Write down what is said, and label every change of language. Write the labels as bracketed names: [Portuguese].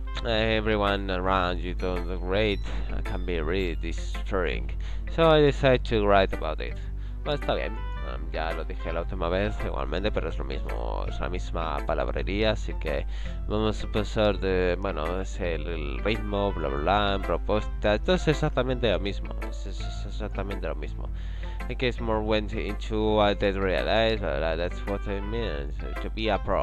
[English] Everyone around you doing great can be really disturbing. So I decided to write about it. [Spanish] Bueno, está bien. Ya lo dije la última vez igualmente, pero es lo mismo, es la misma palabrería, así que vamos a pasar de, bueno, es el ritmo, bla bla bla, propuesta, esto es exactamente lo mismo, es exactamente lo mismo. [English] I guess more went into what I realized, but that's what it means to be a pro.